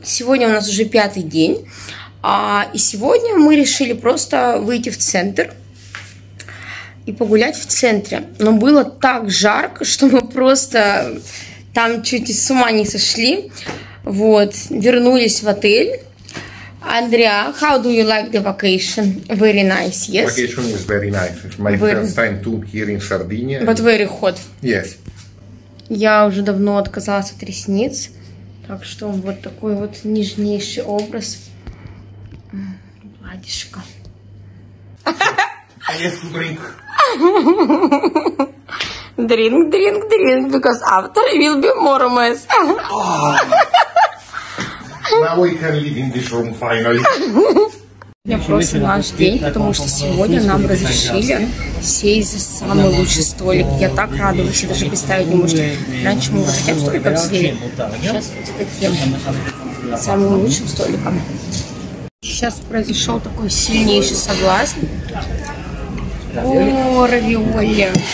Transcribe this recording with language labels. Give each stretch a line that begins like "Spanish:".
Russian: Сегодня у нас уже пятый день. И сегодня мы решили просто выйти в центр и погулять в центре. Но было так жарко, что мы просто там чуть с ума не сошли. Вот, вернулись в отель.
English: Андреа, how do you like the vacation? Very nice, yes? Vacation is very nice. It's my first time to here in Sardinia. But very hot. Yes.
Russian: Я уже давно отказалась от ресниц, так что вот такой вот нежнейший образ. Владишка.
English: I have to drink. Drink, drink, drink, because after will be more mess. Now we can live in this room finally.
Russian: Я просто наш день, потому что сегодня нам разрешили сесть за самый лучший столик. Я так радовалась, я даже представить не могу, что раньше мы вот таким столиком сидели. Сейчас вот таким самым лучшим столиком. Сейчас произошел такой сильнейший соблазн. О, равиоли.